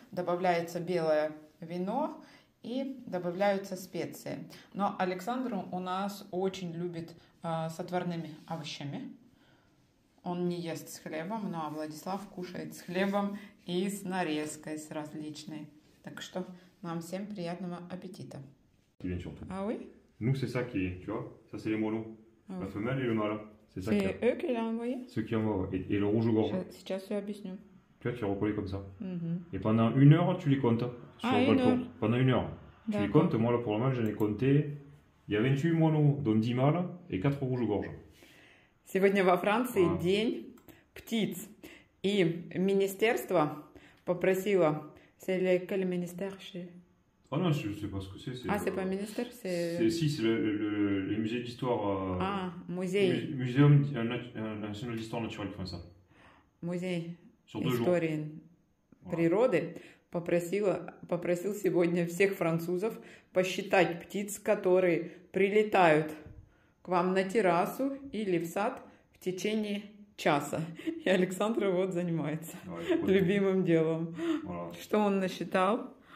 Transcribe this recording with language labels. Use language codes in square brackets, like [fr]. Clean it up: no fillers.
[ru] Добавляется белое вино и добавляются специи. Но Александр у нас очень любит с отварными овощами. Он не ест с хлебом, ну а Владислав кушает с хлебом и с нарезкой, с различной. Так что нам всем приятного аппетита. А вы? [fr] Ну, c'est ça qui est, tu vois? Ça c'est les moulons. La femelle et le mâle. C'est eux qui l'ont envoyé. Ceux qui envoient, et le rouge gorge. [ru] Сейчас я объясню. [fr] Tu vois, tu les recolles comme ça. Mm-hmm. Et pendant une heure, tu les comptes sur le balcon. Pendant une heure, d'accord. Tu les comptes. Moi, là, pour le moment, j'en ai compté. Il y a 28 moineaux, dont 10 mâles et 4 rouges gorge. [ru] Сегодня во Франции день птиц, и министерство попросило. [fr] C'est lequel ministère, chez? Ah non, je sais pas ce que c'est. Ah, c'est pas un ministère, c'est... Si, c'est le musée d'histoire... Ah, musée. Muséum national d'histoire naturelle, comment ça? Musée d'histoire природы, voilà. [ru] попросил сегодня всех французов посчитать птиц, которые прилетают к вам на террасу или в сад в течение часа. И Александр вот занимается любимым делом. Voilà. Что он насчитал?